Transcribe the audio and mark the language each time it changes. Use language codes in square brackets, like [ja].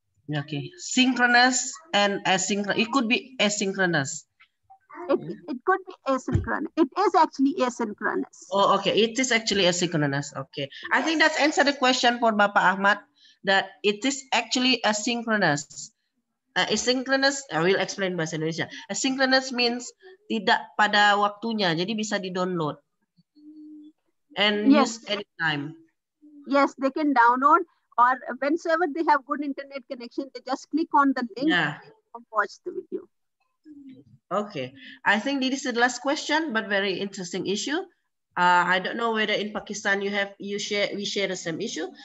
[en] Okay, synchronous and asynchronous. It could be asynchronous. It could be asynchronous. It is actually asynchronous. Oh, okay. It is actually asynchronous. Okay. I think that's answer the question for Bapak Ahmad, that it is actually asynchronous. Asynchronous, I will explain bahasa Indonesia. Asynchronous means [id] tidak pada waktunya, jadi bisa di-download. [en] And use anytime. Yes, they can download, or whenever they have good internet connection, they just click on the link and watch the video. Okay. I think this is the last question, but very interesting issue. I don't know whether in Pakistan we share the same issue.